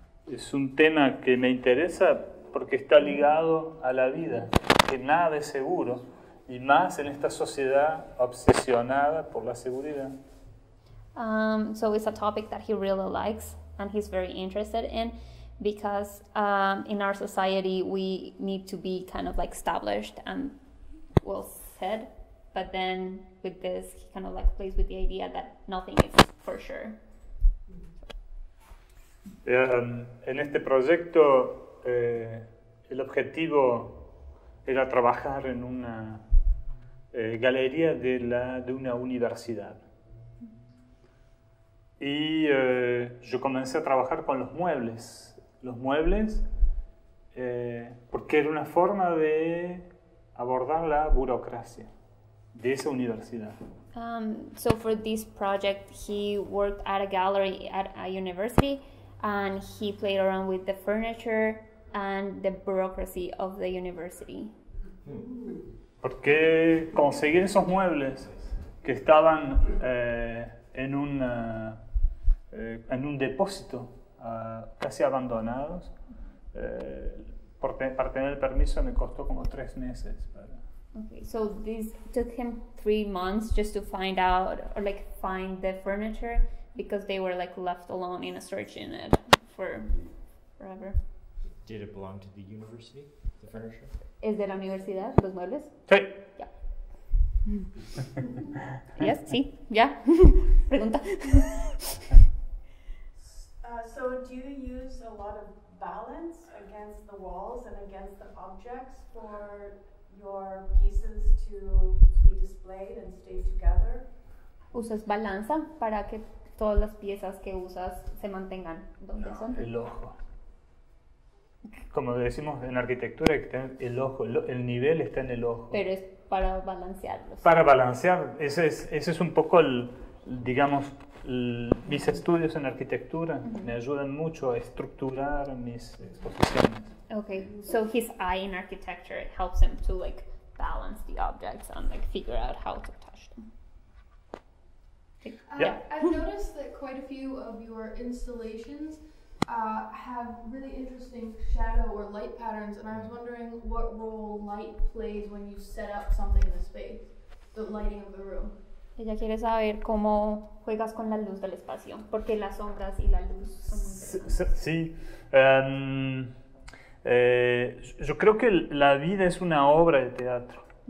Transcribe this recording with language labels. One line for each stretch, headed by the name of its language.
Spanish: Es un tema que me interesa porque está ligado a la vida, que nada es seguro. Y más en esta sociedad obsesionada por la seguridad.
English: So it's a topic that he really likes and he's very interested in because in our society we need to be kind of like established and well said, but then with this he kind of like plays with the idea that nothing is for sure.
Spanish: En este proyecto el objetivo era trabajar en una galería de una universidad. Y yo comencé a trabajar con los muebles. Los muebles, porque era una forma de abordar la burocracia de esa universidad.
English: So for this project, he worked at a gallery at a university and he played around with the furniture and the bureaucracy of the university.
Spanish: Porque conseguir esos muebles que estaban en un depósito casi abandonados, para tener el permiso me costó como 3 meses.
English: Okay, so this took him 3 months just to find out or like find the furniture because they were like left alone in a storage unit for forever. Did it belong to the university, the furniture?
Spanish: Is de la universidad, los muebles? Sí.
English: Yeah. Yes,
Spanish: sí,
English: yeah.
Spanish: Pregunta.
English: So do you use a lot of balance against the walls and against the objects for your pieces to be displayed and stay together?
Spanish: ¿Usas balanza para que todas las piezas que usas se mantengan donde no, son? El ojo. Como decimos en arquitectura, el ojo, el nivel está en el ojo. Pero es para balancearlos. Para balancear, ese es un poco el, digamos, mis estudios en arquitectura me ayudan mucho a estructurar mis exposiciones.
English: Okay, so his eye in architecture helps him to like balance the objects and like figure out how to touch them. I've noticed that quite a few of your installations have really interesting shadow or light patterns, and I was wondering what role light plays when you set up something in the space, the lighting of the room.
Spanish: Ella quiere saber cómo juegas con la luz del espacio, porque las sombras y la luz son muy interesantes. Sí. Yo creo que la vida es una obra de teatro.